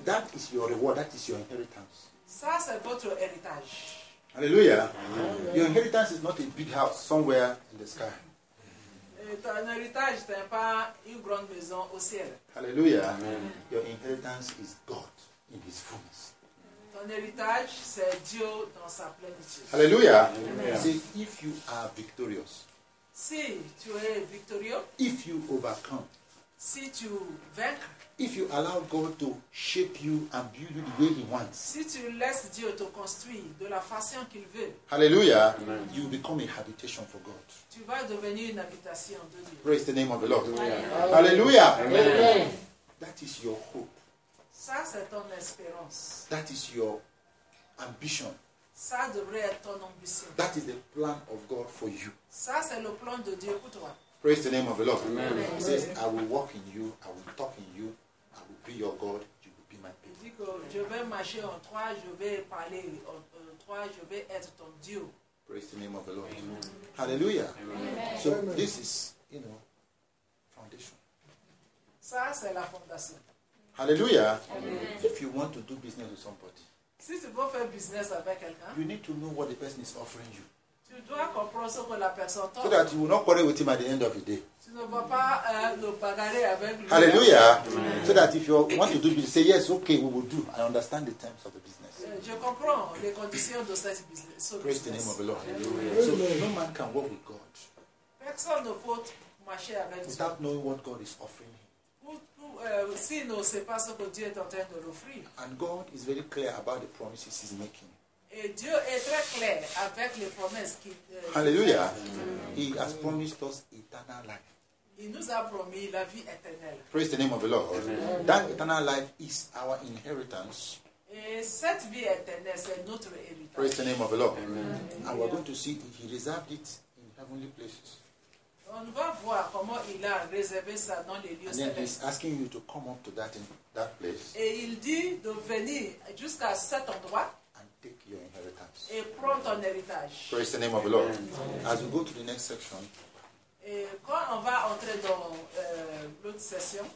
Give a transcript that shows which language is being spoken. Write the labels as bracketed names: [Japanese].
[English] That is your reward. That is your inheritance. [French] Ça, c'est votre héritage. Alléluia. [English] Your inheritance is not a big house somewhere in the sky. [French] Ton héritage n'est pas une grande maison au ciel. [English] Alléluia. Your inheritance is God in His fullness. [French] Ton héritage, c'est Dieu dans sa plénitude. [English] Alléluia. See, if you are victorious. [French] Si tu es victorieux. [English] If you overcome. [French] Si tu vaincres. [English] If you allow God to shape you and build you the way He wants. [French] Si tu laisses Dieu te construire de la façon qu'il veut. [English] Hallelujah. Amen. You become a habitation for God. [French] Tu vas devenir une habitation de Dieu. [English] Praise the name of the Lord. Hallelujah. Hallelujah. Hallelujah. Amen. That is your hope. [French] Ça, c'est ton espérance. [English] That is your ambition. [French] Ça devrait être ton ambition. [English] That is the plan of God for you. [French] Ça, c'est le plan de Dieu pour toi. [English] Praise the name of the Lord. Amen. He says, I will walk in you, I will talk in you, I will be your God, you will be my people. [French] Il dit que je vais marcher en toi, je vais parler en toi, je vais être ton Dieu. [English] Praise the name of the Lord. Hallelujah. Amen. So Amen. This is, you know, foundation. [French] Ça, c'est la fondation. [English] Hallelujah. Amen. If you want to do business with somebody, [French] si tu veux faire business avec quelqu'un, [English] you need to know what the person is offering you. [French] Tu dois comprendre ce que la personne t'offre. [English] So that you will not quarrel with him at the end of the day. [French] Tu ne vas pas le bagarrer avec lui. [English] Hallelujah. Amen. So that if you want to do business, say yes, okay, we will do. I understand the terms of the business. [French] Je comprends les conditions de cette business. [English] Praise the name of the Lord. Hallelujah. So no man can work with God. [French] Personne ne peut marcher avec [English] lui. Without knowing what God is offering him. [French] Si il ne sait pas ce que Dieu est en train de l'offrir. [English] And God is very clear about the promises he's making. [French] Et Dieu est très clair avec les promesses qu'il [English] fait. Hallelujah. Amen. He has promised us eternal life. [French] Il nous a promis la vie éternelle. [English] Praise the name of the Lord. Amen. That eternal life is our inheritance. [French] Et cette vie éternelle, c'est notre héritage. [English] Praise the name of the Lord. Amen. And we're going to see that He reserved it in heavenly places. [French] On va voir comment il a réservé ça dans les lieux célestes. [English] And then he's asking you to come up to that place. [French] Et il dit de venir jusqu'à cet endroit. [English] Take your inheritance. [French] Et prends ton héritage. [English] Praise the name of the Lord. Amen. As we go to the next section, [French] et quand on va entrer dans l'autre session,